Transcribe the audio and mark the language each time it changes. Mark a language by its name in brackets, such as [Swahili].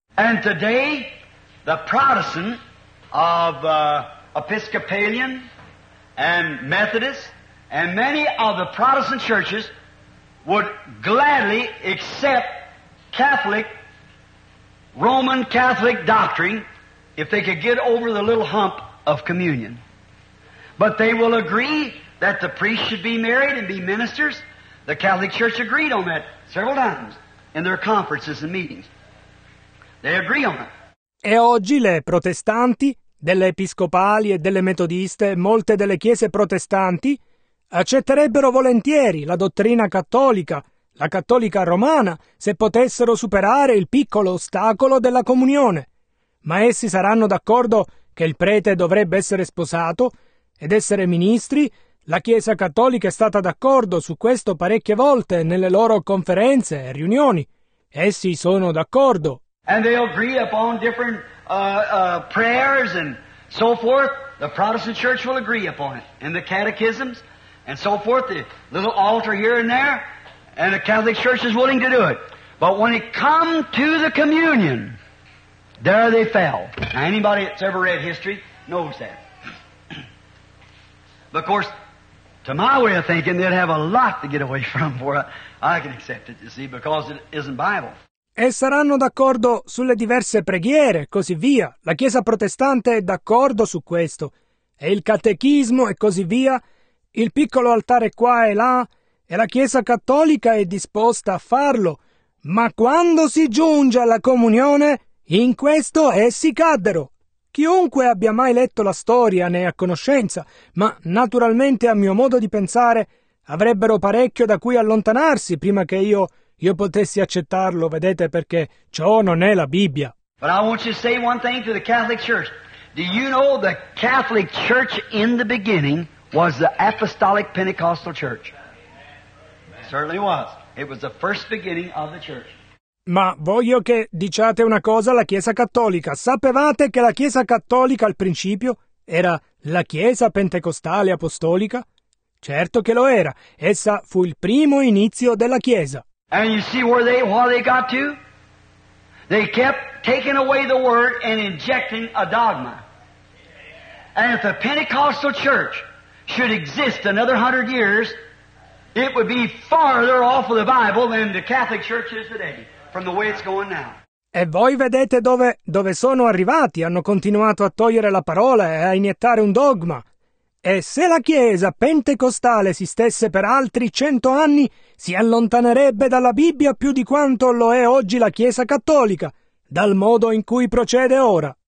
[English] And today, the Protestant of Episcopalian and Methodist and many other Protestant churches would gladly accept Catholic, Roman Catholic doctrine if they could get over the little hump of communion. But they will agree that the priests should be married and be ministers. The Catholic Church agreed on that several times in their conferences and meetings. They agree on it. [Italian] E oggi le protestanti, delle episcopali e delle metodiste, molte delle chiese protestanti, accetterebbero volentieri la dottrina cattolica, la cattolica romana, se potessero superare il piccolo ostacolo della comunione. Ma essi saranno d'accordo che il prete dovrebbe essere sposato ed essere ministri? La Chiesa cattolica è stata d'accordo su questo parecchie volte nelle loro conferenze e riunioni. Essi sono d'accordo. [English] And they agree upon different prayers and so forth. The Protestant Church will agree upon it in the catechisms and so forth. The little altar here and there, and the Catholic Church is willing to do it. But when it come to the communion, there they fell. Now, anybody that's ever read history knows that. But of course, to my way of thinking, they'd have a lot to get away from before I can accept it. You see, because it isn't Bible. [Italian] E saranno d'accordo sulle diverse preghiere, così via. La Chiesa protestante è d'accordo su questo. E il catechismo e così via. Il piccolo altare qua e là. E la Chiesa cattolica è disposta a farlo. Ma quando si giunge alla comunione, in questo essi caddero. Chiunque abbia mai letto la storia ne è a conoscenza, ma naturalmente a mio modo di pensare avrebbero parecchio da cui allontanarsi prima che io potessi accettarlo, vedete, perché ciò non è la Bibbia. [English] But I want you to say one thing to the Catholic Church. Do you know the Catholic Church in the beginning was the Apostolic Pentecostal Church? It certainly was. It was the first beginning of the Church. [Italian] Ma voglio che diciate una cosa alla Chiesa Cattolica. Sapevate che la Chiesa Cattolica al principio era la Chiesa Pentecostale Apostolica? Certo che lo era. Essa fu il primo inizio della Chiesa. [English] And you see where they got to? They kept taking away the word and injecting a dogma. And if the Pentecostal Church should exist another 100 years, it would be farther off of the Bible than the Catholic Church is today, from the way it's going now. [Italian] E voi vedete dove sono arrivati? Hanno continuato a togliere la parola e a iniettare un dogma. E se la Chiesa pentecostale esistesse per altri 100 anni, si allontanerebbe dalla Bibbia più di quanto lo è oggi la Chiesa cattolica, dal modo in cui procede ora.